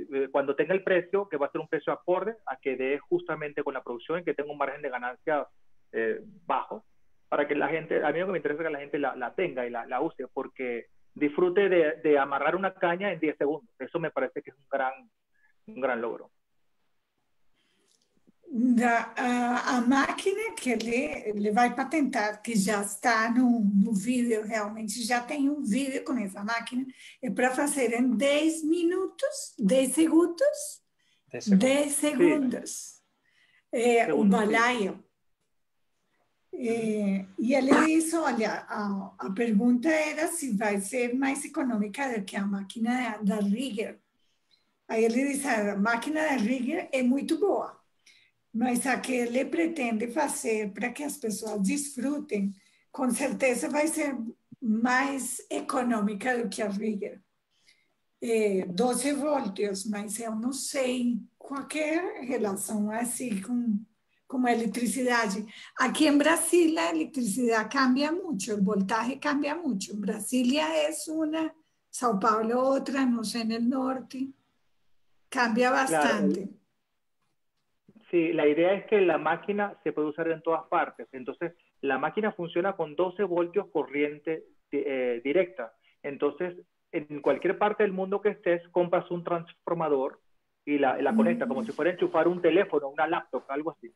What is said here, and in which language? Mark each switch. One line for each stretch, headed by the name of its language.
Spanish: Cuando tenga el precio, que va a ser un precio acorde a que dé justamente con la producción y que tenga un margen de ganancia bajo, para que la gente, a mí lo que me interesa es que la gente la tenga y la use, porque disfrute de amarrar una caña en 10 segundos. Eso me parece que es un gran logro.
Portuguese: A máquina que ele vai patentar, que já está no vídeo, realmente já tem um vídeo com essa máquina, é para fazer em 10 minutos, 10 segundos, 10 segundos. O balaio. E ele disse, olha, a pergunta era se vai ser mais econômica do que a máquina da Rigger. Aí ele disse, a máquina da Rigger é muito boa. Mas a que ele pretende fazer para que as pessoas desfrutem, com certeza vai ser mais econômica do que a Rigger. 12 voltios, mas eu não sei qualquer relação assim com a eletricidade. Aqui em Brasília, a eletricidade cambia muito, o voltagem cambia muito. Brasília é uma, São Paulo outra, não sei, no norte. Cambia bastante. Claro.
Spanish: Sí, la idea es que la máquina se puede usar en todas partes. Entonces, la máquina funciona con 12 voltios corriente directa. Entonces, en cualquier parte del mundo que estés, compras un transformador y la conectas, como si fuera enchufar un teléfono, una laptop, algo así.